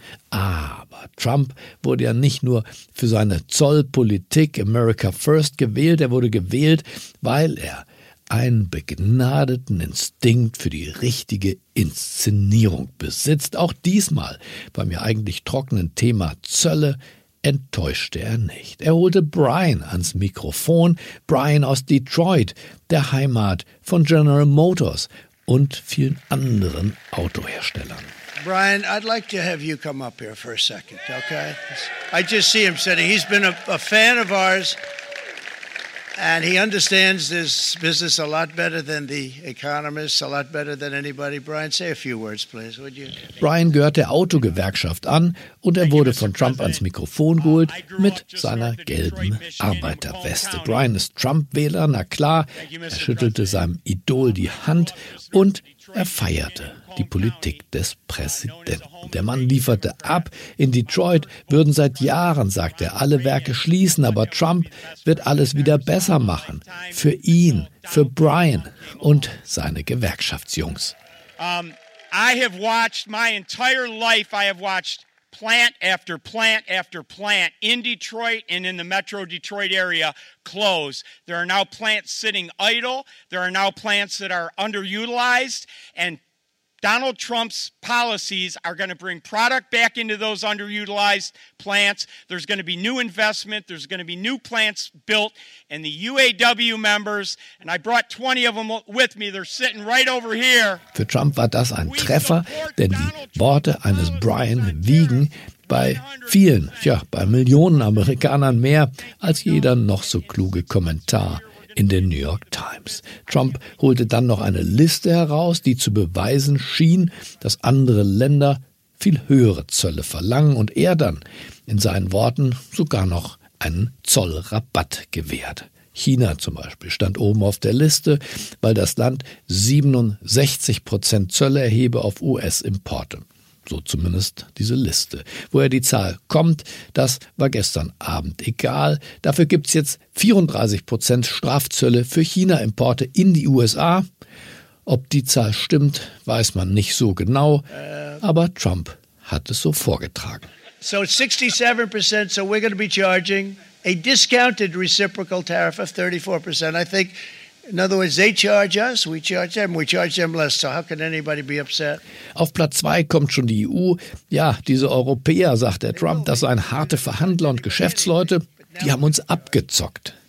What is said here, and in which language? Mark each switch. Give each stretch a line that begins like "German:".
German: Aber Trump wurde ja nicht nur für seine Zollpolitik America First gewählt, er wurde gewählt, weil er einen begnadeten Instinkt für die richtige Inszenierung besitzt. Auch diesmal beim ja eigentlich trockenen Thema Zölle enttäuschte er nicht. Er holte Brian ans Mikrofon, Brian aus Detroit, der Heimat von General Motors und vielen anderen Autoherstellern.
English: Brian, I'd like to have you come up here for a second, okay? I just see him sitting. He's been a fan of ours, and he understands this business a lot better than the economists, a lot better than anybody. Brian, say a few words, please, would you?
German: Brian gehört der Autogewerkschaft an und er wurde von Trump ans Mikrofon geholt mit seiner gelben Arbeiterweste. Brian ist Trump-Wähler, na klar, er schüttelte seinem Idol die Hand und er feierte die Politik des Präsidenten. Der Mann lieferte ab. In Detroit würden seit Jahren, sagt er, alle Werke schließen, aber Trump wird alles wieder besser machen. Für ihn, für Brian und seine Gewerkschaftsjungs.
English: I have watched my entire life, I have watched plant after plant after plant in Detroit and in the metro Detroit area close. There are now plants sitting idle. There are now plants that are underutilized. And Donald Trump's policies are going to bring product back into those underutilized plants. There's going to be new investment. There's going to be new plants built. And the UAW members, and I brought 20 of them with me, they're sitting right over here.
German: Für Trump war das ein Treffer, denn die Worte eines Brian wiegen bei vielen, ja, bei Millionen Amerikanern mehr als jeder noch so kluge Kommentar in den New York Times. Trump holte dann noch eine Liste heraus, die zu beweisen schien, dass andere Länder viel höhere Zölle verlangen und er dann in seinen Worten sogar noch einen Zollrabatt gewährt. China zum Beispiel stand oben auf der Liste, weil das Land 67% Zölle erhebe auf US-Importe. So zumindest diese Liste. Woher die Zahl kommt, das war gestern Abend egal. Dafür gibt es jetzt 34% Strafzölle für China-Importe in die USA. Ob die Zahl stimmt, weiß man nicht so genau. Aber Trump hat es so vorgetragen.
English: So 67%, so we're going to be charging a discounted reciprocal tariff of 34%. I think, in other words, they charge us, we charge them less. So how can anybody be upset?
German: Auf Platz 2 kommt schon die EU. Ja, diese Europäer, sagt der Trump, das seien harte Verhandler und Geschäftsleute, die haben uns abgezockt.